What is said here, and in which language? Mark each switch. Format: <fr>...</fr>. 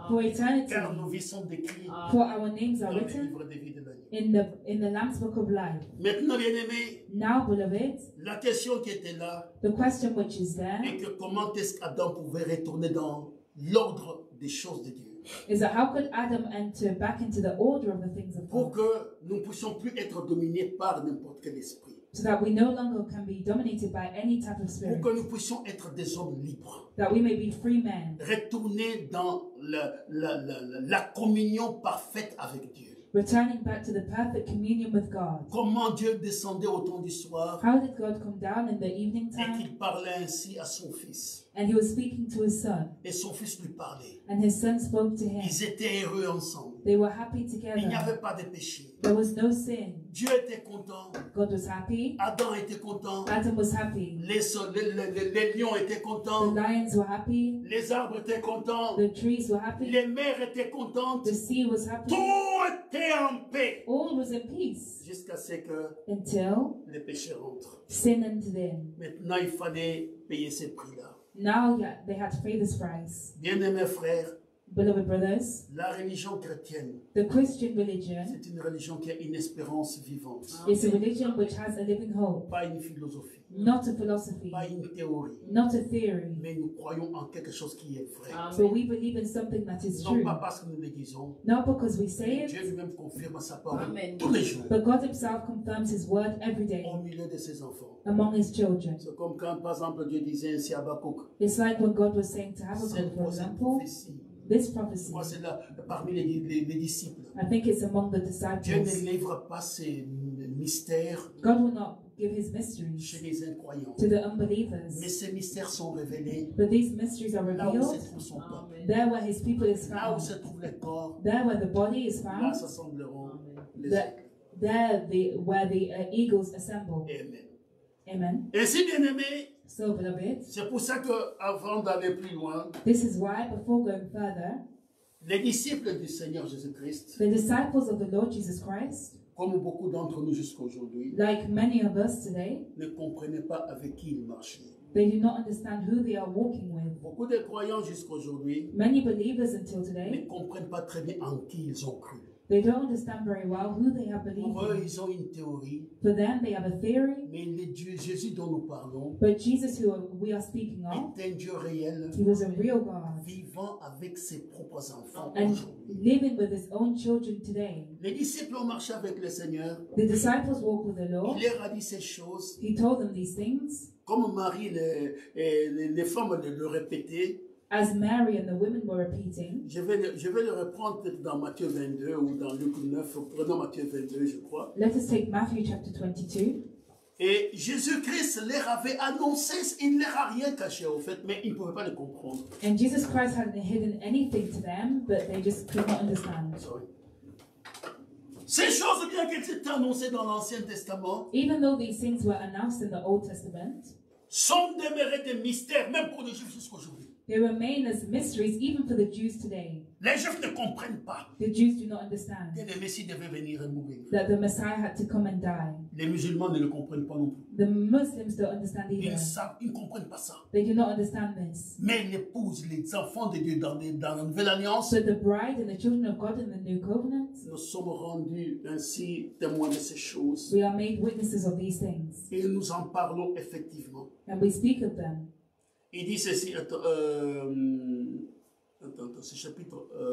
<en>For eternity.</en> <fr>Car nos vies sont décrites.</fr> <en>For our names are written.</en> <fr>Dans le livre de vie de la vie.</fr> <en>In the Lamb's book of life.</en> <fr>Maintenant, bien aimé.</fr> <en>Now, beloved.</en> <fr>La question qui était là.</fr> <en>The question which is there.</en> <fr>Et que comment est-ce qu'Adam pouvait retourner dans l'ordre des choses de Dieu.</fr> <en>Is that how could Adam enter back into the order of the things of God?</en> <fr>Pour que nous puissions plus être dominés par n'importe quel esprit.</fr> <en>So that we no longer can be dominated by any type of spirit.</en> <fr>Pour que nous puissions être des hommes libres.</fr> <en>That we may be free men.</en> <fr>Retourner dans la communion parfaite avec Dieu.</fr> <en>Returning back to the perfect communion with God.</en> <fr>Comment Dieu descendait au temps du soir?</fr> <en>How did God come down in the evening time?</en> <fr>Et qu'il parlait ainsi à son fils.</fr> <en>And he was speaking to his son.</en> <fr>Et son fils lui parlait.</fr> <en>And his son spoke to him.</en> <fr>Ils étaient heureux ensemble.</fr> <en>They were happy together.</en> <fr>Il n'y avait pas de péché.</fr> <en>There was no sin.</en> <fr>Dieu était content.</fr> <en>God was happy.</en> <fr>Adam était content.</fr> <en>Adam was happy.</en> <fr>Les lions étaient contents.</fr> <en>The lions were happy.</en> <fr>Les arbres étaient contents.</fr> <en>The trees were happy.</en> <fr>Les mers étaient contentes.</fr> <en>The sea was happy.</en> <fr>Tout était en paix.</fr> <en>All was in peace.</en> <fr>Jusqu'à ce que</fr> <en>until</en> <fr>les péchés rentrent.</fr> <en>Sin entered in.</en> <fr>Maintenant, il fallait payer ce prix-là.</fr> <en>Now yeah, they had to pay this price.</en> <fr>Bien-aimés frères,</fr> <en>beloved brothers,</en> <fr>la religion chrétienne,</fr> <en>the Christian religion,</en> <fr>c'est une religion qui a une espérance vivante.</fr> <en>It's a religion which has a living hope.</en> <fr>Pas une philosophie.</fr> <en>Not a philosophy.</en> <fr>Pas une théorie.</fr> <en>Not a theory.</en> <fr>Mais nous croyons en quelque chose qui est vrai.</fr> <en>So we believe in something that is</en> <fr>non</fr> <en>true.</en> <fr>Pas parce que nous le disons.</fr> <en>Not because we say it.</en> <fr>Dieu lui-même confirme sa parole tous les jours.</fr> <en>But God himself confirms his word every day.</en> <fr>Au milieu de ses enfants.</fr> <en>Among his children.</en> <fr>C'est comme quand, par exemple, Dieu disait ainsi à Habakkuk.</fr> <en>It's like what God was saying to Habakkuk, for example.</en> <fr>Prophétie.</fr> <en>This prophecy.</en> <fr>Moi, c'est là, parmi les disciples.</fr> <en>I think it's among the disciples.</en> <fr>Dieu ne livre pas ses mystères.</fr> <en>God will not give his mysteries.</en> <fr>Chez les incroyants.</fr> <en>To the unbelievers.</en> <fr>Mais ces mystères sont révélés.</fr> <en>But these mysteries are revealed.</en> <fr>Là où se trouve son peuple.</fr> <en>There where his people is found.</en> <fr>Là où se trouve le corps.</fr> <en>There where the body is found.</en> <fr>Là s'assembleront les aigles.</fr> <en>There where the eagles assemble.</en> <fr>Amen.</fr> <en>Amen.</en> <fr>Ainsi bien aimé.</fr> <en>So, beloved,</en> <fr>c'est pour ça que avant d'aller plus loin,</fr> <en>this is why, before going further,</en> <fr>les disciples du Seigneur Jésus-Christ,</fr> <en>the disciples of the Lord Jesus Christ,</en> <fr>comme beaucoup d'entre nous jusqu'à aujourd'hui,</fr> <en>like many of us today,</en> <fr>ne comprenaient pas avec qui ils marchaient.</fr> <en>They do not understand who they are walking with.</en> <fr>Beaucoup de croyants jusqu'à aujourd'hui,</fr> <en>many believers until today,</en> <fr>ne comprennent pas très bien en qui ils ont cru.</fr> <en>They don't understand very well who they have believed.</en> <fr>Pour eux, ils ont une théorie.</fr> <en>For them, they have a theory.</en> <fr>Mais le Dieu Jésus dont nous parlons.</fr> <en>But Jesus, who we are speaking of,</en> <fr>est un Dieu réel.</fr> <en>He was a real God.</en> <fr>Vivant avec ses propres enfants</fr> <en>and</en> <fr>aujourd'hui.</fr> <en>Living with his own children today.</en> <fr>Les disciples ont marché avec le Seigneur.</fr> <en>The disciples walked with the Lord.</en> <fr>Il leur a dit ces choses.</fr> <en>He told them these things.</en> <fr>Comme Marie les femmes le répétaient.</fr> <en>As Mary and the women were repeating.</en> <fr>Je vais le reprendre peut-être dans Matthieu 22 ou dans Luc 9. Prenons Matthieu 22, je crois.</fr> <en>Let us take Matthew chapter 22.</en> <fr>Et Jésus-Christ leur avait annoncé, il ne leur a rien caché au fait, mais ils ne pouvaient pas le comprendre.</fr> <en>And Jesus Christ hadn't hidden anything to them, but they just could not understand. Sorry.</en> <fr>Ces choses, bien qu'elles étaient annoncées dans l'Ancien Testament,</fr> <en>even though these things were announced in the Old Testament,</en> <fr>sont demeurées des mystères, même pour les Juifs jusqu'à aujourd'hui.</fr> <en>They remain as mysteries even for the Jews today.</en> <fr>Les Juifs ne comprennent pas.</fr> <en>The Jews do not understand.</en> <fr>Que le Messie devait venir et mourir.</fr> <en>That the Messiah had to come and die.</en> <fr>Les musulmans ne le comprennent pas non plus.</fr> <en>The Muslims don't understand either.</en> <fr>Ils ne comprennent pas ça.</fr> <en>They do not understand this.</en> <fr>Mais l'épouse, les enfants de Dieu dans la nouvelle alliance.</fr> <en>But the bride and the children of God in the new covenant.</en> <fr>Nous sommes rendus ainsi témoins de ces choses.</fr> <en>We are made witnesses of these things.</en> <fr>Et nous en parlons effectivement.</fr> <en>And we speak of them.</en> <fr>Il dit ceci, attends, c'est chapitre</fr>